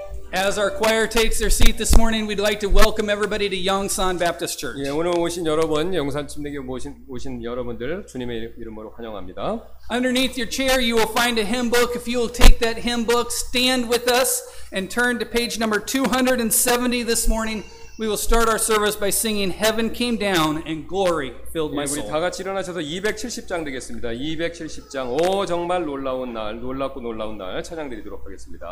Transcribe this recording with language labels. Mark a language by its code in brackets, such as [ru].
[en] As our choir takes their seat this morning, we'd like to welcome everybody to Yongsan Baptist Church. [ko] 예, 오늘 오신 여러분, 영산 침례교회 오신 여러분들 주님의 이름으로 환영합니다. [en] Underneath your chair, you will find a hymn book. If you will take that hymn book, stand with us and turn to page number 270 this morning. We will start our service by singing Heaven Came Down and Glory Filled My Soul. [ko] 예, 우리 다 같이 일어나셔서 270장 되겠습니다. 270장. 오 정말 놀라운 날, 놀랍고 놀라운 날 찬양드리도록 하겠습니다.